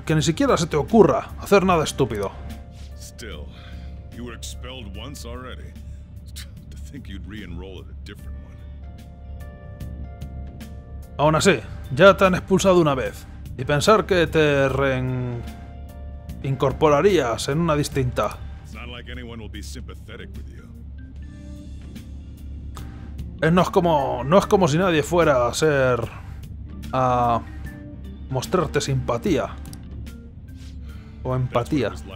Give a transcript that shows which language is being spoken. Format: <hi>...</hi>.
<es>Que ni siquiera se te ocurra hacer nada estúpido.</es> <en>Still, you were expelled once already. To think you'd re-enroll at a different one.</en> <es>Aún así, ya te han expulsado una vez. Y pensar que te incorporarías en una distinta.</es> <en>Not like anyone will be sympathetic with you.</en> <es>No es como si nadie fuera a ser... a mostrarte simpatía o empatía.</es>